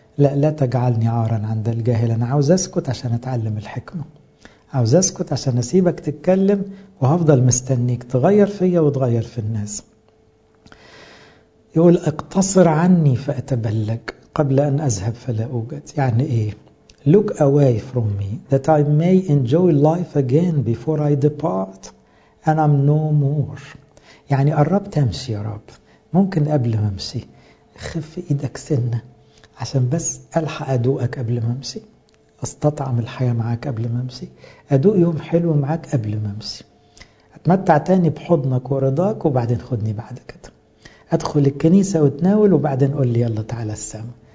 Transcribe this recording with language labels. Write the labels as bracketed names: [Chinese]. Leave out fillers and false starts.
[Arabic] لا تجعلني عارا عند الجاهل، انا عاوز اسكت عشان اتعلم الحكمة، عاوز اسكت عشان اسيبك تتكلم، وهفضل مستنيك تغير فيا وتغير في الناس. يقول اقتصر عني فأتبلج قبل أن أذهب فلا أوجد. يعني إيه؟ [English] Look away from me that I may enjoy life again before I depart and I'm no more. [Arabic] يعني قربت أمشي يا رب، ممكن قبل ما أمشي خف إيدك سنة عشان بس ألحق أدوقك قبل ما أمشي، أستطعم الحياة معك قبل ما أمشي، أدوق يوم حلو معك قبل ما أمشي، أتمتع تاني بحضنك ورضاك وبعدين خدني بعد كده، أدخل الكنيسة وتناول وبعدين قول لي يلا تعالى السماء.